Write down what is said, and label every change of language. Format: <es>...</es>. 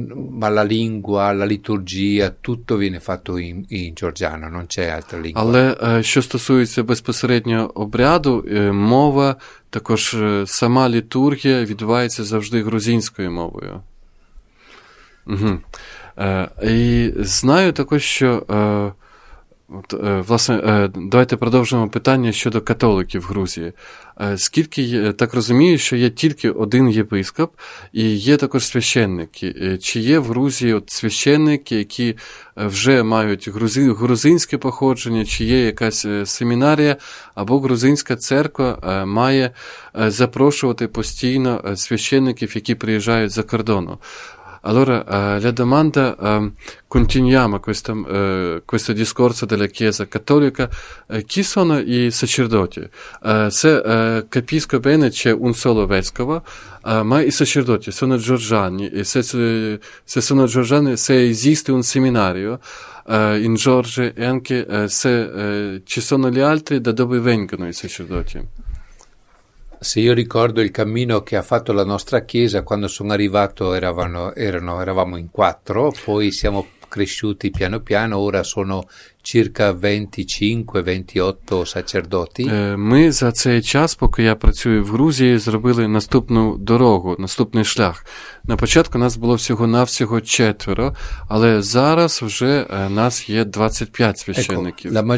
<it>Ma la lingua, la liturgia, tutto viene fatto in georgiano, non c'è altra lingua.</it> <uk>Але що стосується безпосередньо обряду, мова, також сама літургія відбувається завжди грузинською мовою. Угу. І знаю також, що, власне, давайте продовжимо питання щодо католиків Грузії. Скільки, так розумію, що є тільки один єпископ і є також священники. Чи є в Грузії от священники, які вже мають грузинське походження, чи є якась семінарія, або грузинська церква має запрошувати постійно священників, які приїжджають за кордону?</uk> <it>Allora, la domanda, continuiamo questo discorso della Chiesa Cattolica. Chi sono i sacerdoti? Se capisco bene, c'è un solo vescovo, ma i sacerdoti sono georgiani. E se sono georgiani, se esiste un seminario in Georgia, e anche se ci sono gli altri, da dove vengono i sacerdoti? Se io ricordo il cammino che ha fatto la nostra chiesa, quando sono arrivato eravamo in quattro, poi siamo cresciuti piano piano, ora sono circa 25-28 sacerdoti.</it> <uk>Ми за цей час, поки я працюю в Грузії, зробили наступну дорогу, наступний шлях. На початку нас було всього-навсього четверо, але зараз вже нас є 25 священників.</uk>